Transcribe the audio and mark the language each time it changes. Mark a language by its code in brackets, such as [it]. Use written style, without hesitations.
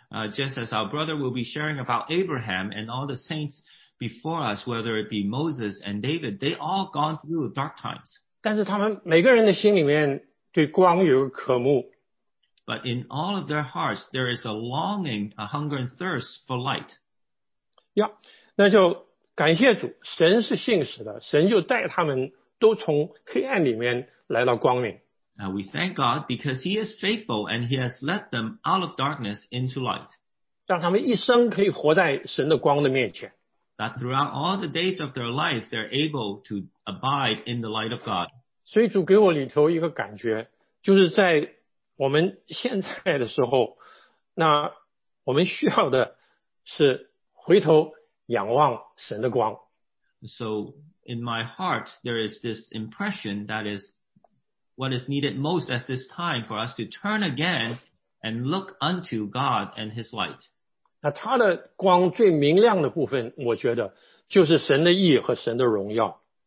[en] Just as our brother will be sharing about Abraham and all the saints before us, whether it be Moses and David, they all gone through dark times. [zh] 但是他们每个人的心里面对光有渴慕。 [en] But in all of their hearts, there is a longing, a hunger and thirst for light. [zh] Yeah, 那就感谢主，神是信实的，神就带他们都从黑暗里面来到光明。 [en] Now we thank God because he is faithful and he has led them out of darkness into light. [zh] 让他们一生可以活在神的光的面前。 [en] That throughout all the days of their life, they're able to abide in the light of God. [zh] 所以主给我里头一个感觉，就是在我们现在的时候，那我们需要的是回头仰望神的光。 [en] So in my heart, there is this impression that is what is needed most at this time for us to turn again and look unto God and his light. [zh] 那他的光最明亮的部分，我觉得就是神的义和神的荣耀。